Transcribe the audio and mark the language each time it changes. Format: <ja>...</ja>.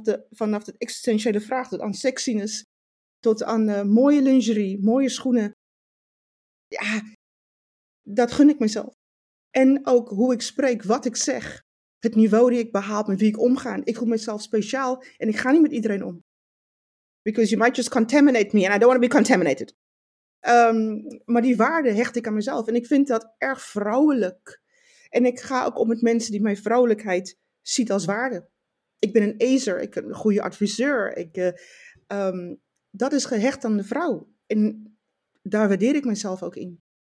<nl>Vanaf de existentiële vraag tot aan sexiness. Tot aan mooie lingerie, mooie schoenen. Ja, dat gun ik mezelf. En ook hoe ik spreek, wat ik zeg. Het niveau die ik behaal, met wie ik omga. Ik voel mezelf speciaal en ik ga niet met iedereen om.</nl> <en>Because you might just contaminate me and I don't want to be contaminated.</en> <nl>Maar die waarde hecht ik aan mezelf. En ik vind dat erg vrouwelijk. En ik ga ook om met mensen die mijn vrouwelijkheid ziet als waarde. Ik ben een ezer, ik ben een goede adviseur. Dat is gehecht aan de vrouw. En daar waardeer ik mezelf ook in.</nl>